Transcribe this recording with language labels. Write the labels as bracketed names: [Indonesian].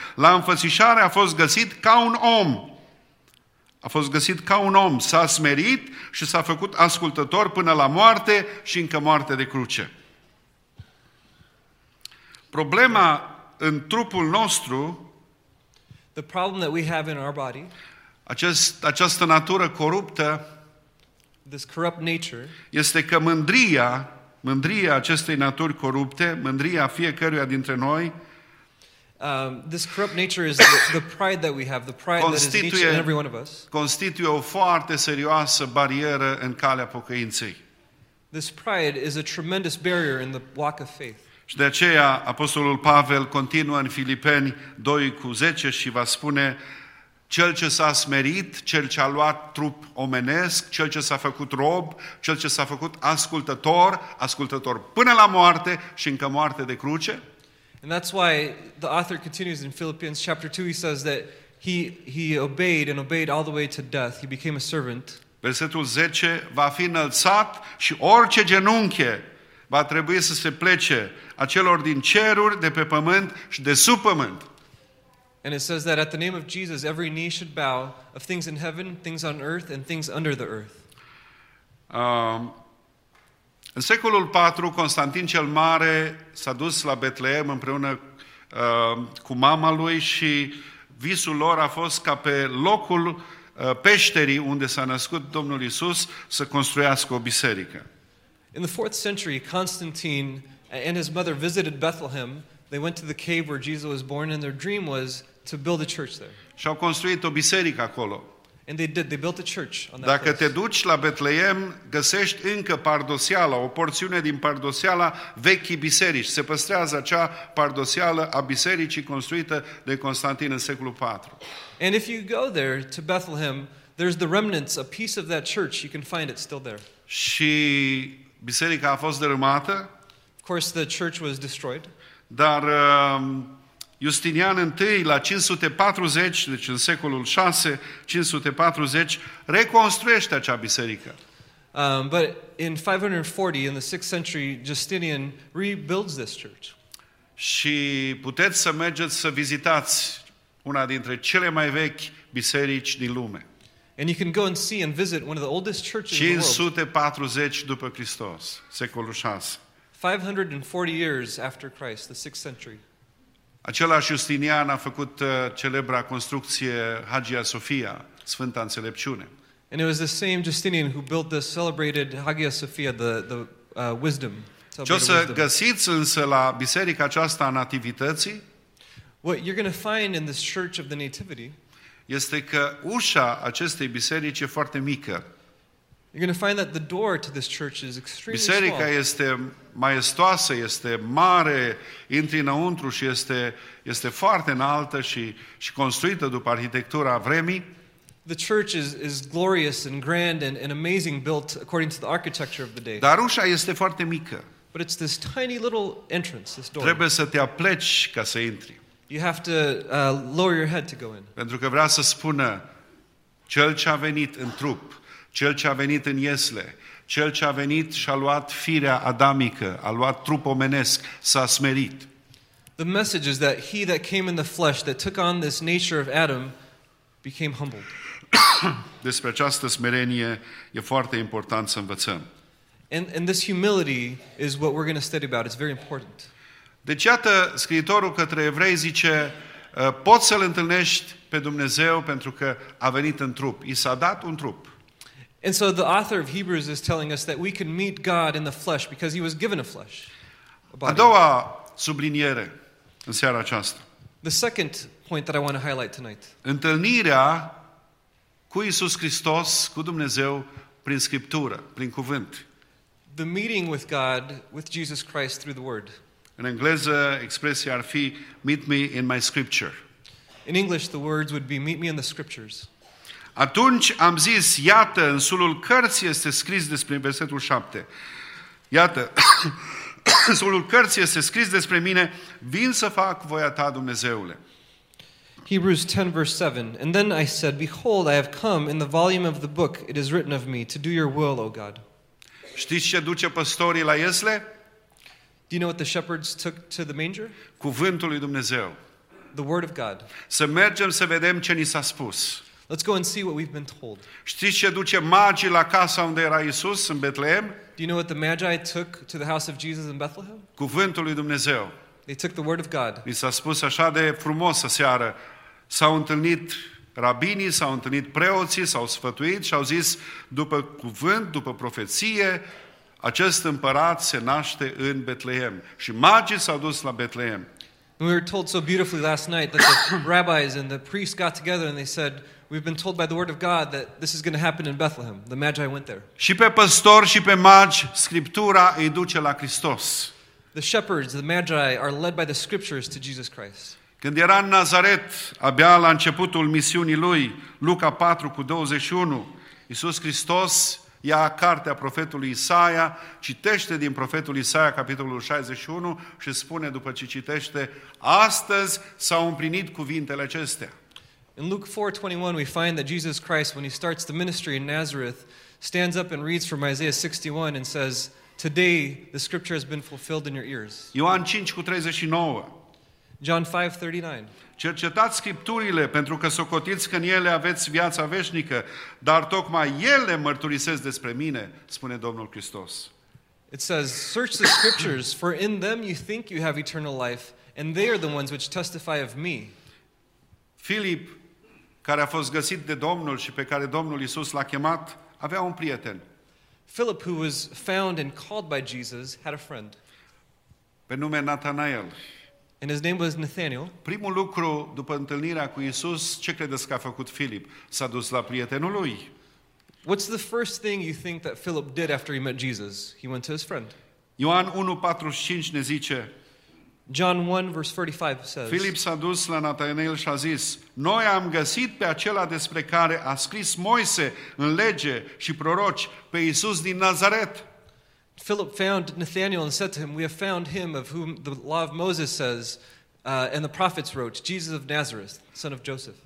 [Romanian] La înfățișare a fost găsit ca un om. A fost găsit ca un om. S-a smerit și s-a făcut ascultător până la moarte și încă moarte de cruce. Problema în trupul nostru, [English] the problem that we have in our body, [Romanian] această natură coruptă, [English] this corrupt nature, [Romanian] este că mândria acestei naturi corupte, mândria fiecăruia dintre noi, [English] this corrupt nature is the pride that we have, the pride that is each and every one of us, [Romanian] constituie o foarte serioasă barieră în calea pocăinței. [English] This pride is a tremendous barrier in the walk of faith. [Romanian] Și de aceea Apostolul Pavel continuă în Filipeni 2:10 și va spune cel ce s-a smerit, cel ce a luat trup omenesc, cel ce s-a făcut rob, cel ce s-a făcut ascultător până la moarte și încă moarte de cruce. [English] And that's why the author continues in Philippians chapter 2, he says that he obeyed and obeyed all the way to death, he became a servant. [Romanian] Versetul 10, va fi înălțat și orice genunche va trebui să se plece a celor din ceruri, de pe pământ și de sub pământ. [English] And it says that at the name of Jesus every knee should bow of things in heaven, things on earth and things under the earth. [Romanian] În secolul 4, Constantin cel Mare s-a dus la Betleem împreună cu mama lui și visul lor a fost ca pe locul peșterii unde s-a născut Domnul Iisus să construiască o biserică. [English] In the 4th century, Constantine and his mother visited Bethlehem. They went to the cave where Jesus was born and their dream was to build a church there. [Romanian] Și au construit o biserică acolo. [English] And they did. They built a church on that place. [Romanian] Dacă te duci la Betleem, găsești încă pardoseala, o porțiune din pardoseala vechii biserici. Se păstrează acea pardoseală a bisericii construită de Constantin în secolul 4. [English] And if you go there to Bethlehem, there's the remnants, a piece of that church. You can find it still there. [Romanian] Și biserica a fost dărâmată. [English] Of course, the church was destroyed. [Romanian] Dar Justinian I, la 540, deci în secolul 6, 540, reconstruiește acea biserică. [English] But in 540, in the 6th century, Justinian rebuilds this church. [Romanian] Și puteți să mergeți să vizitați una dintre cele mai vechi biserici din lume. [English] And you can go and see and visit one of the oldest churches in the world. [Romanian] 540 după Hristos, secolul 6. [English] 540 years after Christ, the 6th century. [Romanian] Același Justinian a făcut celebra construcție Hagia Sophia, Sfânta Înțelepciune. [English] And it was the same Justinian who built the celebrated Hagia Sophia, the wisdom. [Romanian] Ce o să găsiți însă la biserica aceasta a Nativității? [English] What you're going to find in this church of the Nativity [Romanian] este că ușa acestei biserici e foarte mică. [English] You're going to find that the door to this church is extremely [Romanian] biserica [English] small. [Romanian] Este maestoasă, este mare, intri înăuntru și este foarte înaltă și construită după arhitectura vremii. [English] The church is glorious and grand and amazing, built according to the architecture of the day. [Romanian] Dar ușa este foarte mică. [English] But it's this tiny little entrance, this door. [Romanian] Trebuie să te apleci ca să intri. [English] You have to lower your head to go in. [Romanian] Pentru că vrea să spună cel ce a venit în trup, cel ce a venit în iesle, cel ce a venit și a luat firea adamică, a luat trup omenesc, s-a smerit. [English] The message is that he that came in the flesh, that took on this nature of Adam, became humbled. [Romanian] Despre această smerenie e foarte important să învățăm. [English] And this humility is what we're going to study about. It's very important. [Romanian] Deci iată, scriitorul către evrei zice, poți să-L întâlnești pe Dumnezeu pentru că a venit în trup. I s-a dat un trup. [English] And so the author of Hebrews is telling us that we can meet God in the flesh because he was given a flesh. [Romanian] A doua subliniere în seara aceasta. [English] The second point that I want to highlight tonight. [Romanian] Întâlnirea cu Iisus Hristos, cu Dumnezeu, prin Scriptură, prin Cuvânt. [English] The meeting with God, with Jesus Christ through the Word. [Romanian] În engleză, expresia ar fi, [English] meet me in my Scripture. In English, the words would be, meet me in the Scriptures. [Romanian] Atunci am zis, iată, în sulul cărții este scris despre versetul 7. Iată, în sulul cărții este scris despre mine, vin să fac voia ta, Dumnezeule. [English] Hebrews 10, verse 7. And then I said, behold, I have come in the volume of the book, it is written of me, to do your will, O God. [Romanian] Știți ce duce păstorii la iesle? [English] Do you know what the shepherds took to the manger? [Romanian] Cuvântul lui Dumnezeu. [English] The word of God. [Romanian] Să mergem să vedem ce ni s-a spus. [English] Let's go and see what we've been told. [Romanian] Știți ce duce magii la casa unde era Iisus în Betleem? [English] Do you know what the magi took to the house of Jesus in Bethlehem? [Romanian] Cuvântul lui Dumnezeu. [English] They took the word of God. [Romanian] Mi s-a spus așa de frumos aseară. S-au întâlnit rabinii, s-au întâlnit preoții, s-au sfătuit și au zis, după cuvânt, după profeție, acest împărat se naște în Betleem. Și magii s-au dus la Betleem. [English] And we were told so beautifully last night that the rabbis and the priests got together and they said, we've been told by the word of God that this is going to happen in Bethlehem. The magi went there. [Romanian] Și pe păstori și pe magi, Scriptura îi duce la Hristos. [English] The shepherds, the magi, are led by the scriptures to Jesus Christ. [Romanian] Când era în Nazaret, abia la începutul misiunii lui, Luca 4:21, Iisus Hristos ia cartea profetului Isaia, citește din profetul Isaia, capitolul 61, și spune după ce citește, astăzi s-au împlinit cuvintele acestea. [English] In Luke 4:21, we find that Jesus Christ, when he starts the ministry in Nazareth, stands up and reads from Isaiah 61 and says, today the scripture has been fulfilled in your ears. [Romanian] Ioan 5:39. [English] John 5:39. [Romanian] Cercetați scripturile pentru că socotiți că în ele aveți viața veșnică, dar tocmai ele mărturisesc despre mine, spune Domnul Hristos. [English] It says, search the scriptures, for in them you think you have eternal life, and they are the ones which testify of me. [Romanian] Filip, care a fost găsit de Domnul și pe care Domnul Iisus l-a chemat, avea un prieten. [English] Philip, who was found and called by Jesus, had a friend. [Romanian] Pe nume Nathanael. [English] And his name was Nathanael. [Romanian] Primul lucru după întâlnirea cu Iisus, ce credeți că a făcut Filip? S-a dus la prietenul lui. [English] What's the first thing you think that Philip did after he met Jesus? He went to his friend. [Romanian] Ioan 1:45 ne zice. [English] John 1:45 says. [Romanian] Filip s-a dus la Nathanael și a zis: Noi am găsit pe acela despre care a scris Moise în lege și proroci, pe Iisus din Nazaret. [English] Philip found Nathanael and said to him, We have found him of whom the law of Moses says and the prophets wrote, Jesus of Nazareth, son of Joseph.